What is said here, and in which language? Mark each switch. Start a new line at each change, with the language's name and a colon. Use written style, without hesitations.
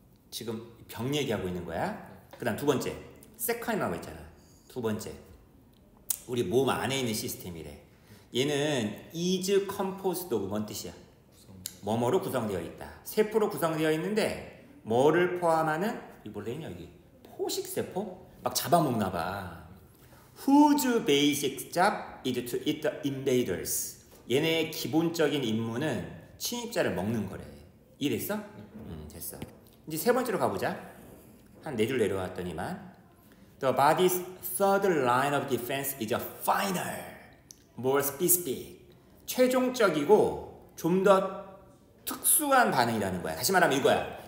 Korean: 지금 병 얘기하고 있는 거야. 그 다음 두 번째, 세컨이라고 했잖아. 두 번째, 우리 몸 안에 있는 시스템이래. 얘는 is composed of, 뭔 뜻이야? 뭐뭐로 구성되어 있다. 세포로 구성되어 있는데 뭐를 포함하는? 이 뭐라 되냐 여기? 포식세포? 막 잡아먹나 봐.
English: Whose basic job is to eat the invaders?
Korean: 얘네의 기본적인 임무는 침입자를 먹는 거래. 이해됐어? 됐어. 이제 세 번째로 가보자. 한 네 줄 내려왔더니만.
English: The body's third line of defense is a final, more specific.
Korean: 최종적이고 좀 더 특수한 반응이라는 거야. 다시 말하면 이거야.